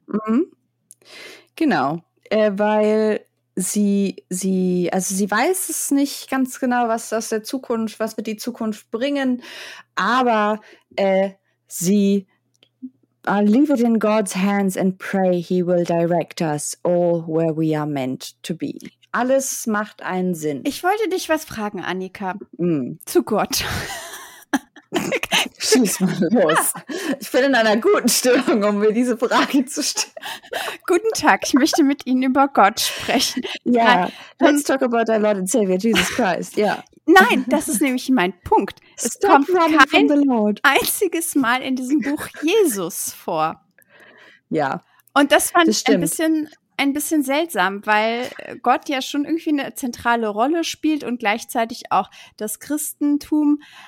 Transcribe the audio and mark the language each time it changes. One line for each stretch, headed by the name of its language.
German: Mhm. Genau. Weil sie weiß es nicht ganz genau, was aus der Zukunft, was wird die Zukunft bringen, aber sie
English: leave it in God's hands and pray he will direct us all where we are meant to be.
German: Alles macht einen Sinn. Ich wollte dich was fragen, Annika. Mm. Zu Gott. Schieß mal los. Ich bin in einer guten Stimmung, um mir diese Frage zu stellen. Guten Tag, ich möchte mit Ihnen über Gott sprechen. Ja, yeah.
English: Let's talk about our Lord and Savior, Jesus Christ. Yeah.
German: Nein, das ist nämlich mein Punkt. Es kommt kein einziges Mal in diesem Buch Jesus vor. Ja, und das fand ich ein bisschen seltsam, weil Gott ja schon irgendwie eine zentrale Rolle spielt und gleichzeitig auch das Christentum.